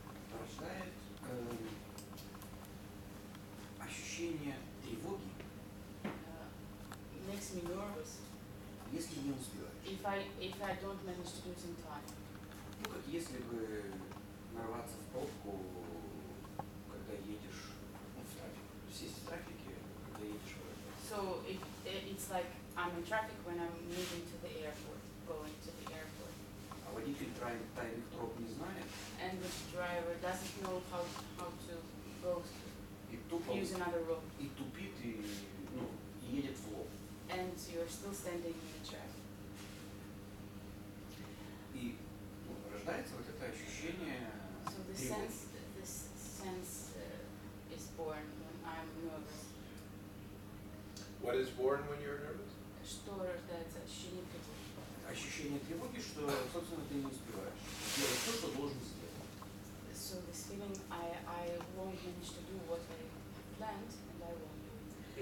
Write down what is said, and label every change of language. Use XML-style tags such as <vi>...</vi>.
<ru>Порождает ощущение тревоги.</ru> <en>Makes me nervous.</en> <ru>Если не успеваешь.</ru> <en>If I don't manage to do it in time.</en> <ru>Ну как если бы нарваться в пробку, когда едешь в трафик, сесть в трафике, когда едешь в аэропорт.</ru> <en>So it's like I'm in traffic when I'm moving to the airport, going to the airport.</en> <ru>А водитель тайных проб не знает.</ru> <en>And the driver doesn't know how to go through, use another road.</en> <ru>И тупит, и, ну, и едет в лоб.</ru> <en>And you're still standing in the traffic.</en> <ru>И ну, рождается вот это ощущение.</ru> <en>So this sense is born when I'm nervous. What is born when you're nervous?</en> <ru>Что рождается ощущение тревоги? Ощущение тревоги, что, собственно, ты не успеваешь. Делать то, что должен сделать.</ru> <en>So this feeling I won't manage to do what I planned and I won't do.</en>